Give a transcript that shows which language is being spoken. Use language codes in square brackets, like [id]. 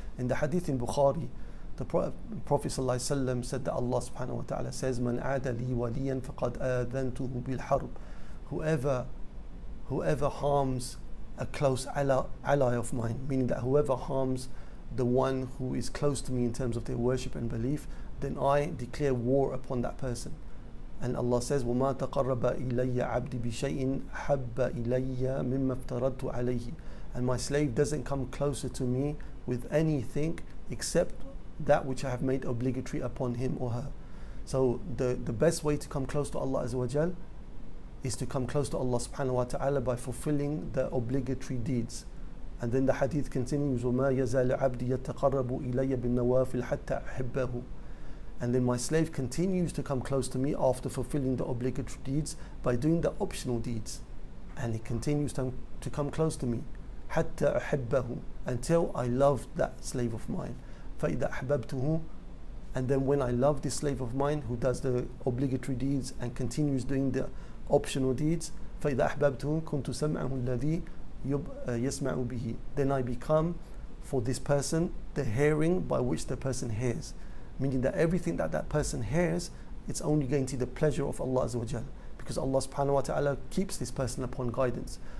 [en] In the hadith in Bukhari, the Prophet sallallahu alaihi wasallam said that Allah subhanahu wa ta'ala says, [ar] man aada li waliyan faqad aadantuhu bil harb. [en] Whoever harms a close ally of mine, meaning that whoever harms the one who is close to me in terms of their worship and belief, then I declare war upon that person. And Allah says, [ar] وَمَا تَقَرَّبَ إِلَيَّ عَبْدِ بِشَيْءٍ حَبَّ إِلَيَّ مِمَّا افْتَرَدْتُ عَلَيْهِ. [en] And my slave doesn't come closer to me with anything except that which I have made obligatory upon him or her. So the best way to come close to Allah Azza wa Jal is to come close to Allah subhanahu wa ta'ala by fulfilling the obligatory deeds. And then the hadith continues, [ar] وَمَا يَزَالِ عَبْدِ يَتَقَرَّبُ إِلَيَّ بِالنَّوَافِلْ حَتَّى أَحِبَّهُ. [en] And then my slave continues to come close to me after fulfilling the obligatory deeds by doing the optional deeds. And he continues to come close to me, [ar] حَتَّى أَحِبَّهُ, [en] until I love that slave of mine. [ar] فَإِذَا أَحْبَبْتُهُ [en] And then when I love this slave of mine who does the obligatory deeds and continues doing the optional deeds, [ar] فَإِذَا أَحْبَبْتُهُ كُنْتُ سَمْعَهُ الَّذِي يَسْمَعُ بِهِ, [en] then I become for this person the hearing by which the person hears, meaning that everything that that person hears, it's only going to the pleasure of Allah Azza wa Jal, because Allah Subhanahu wa Ta'ala keeps this person upon guidance.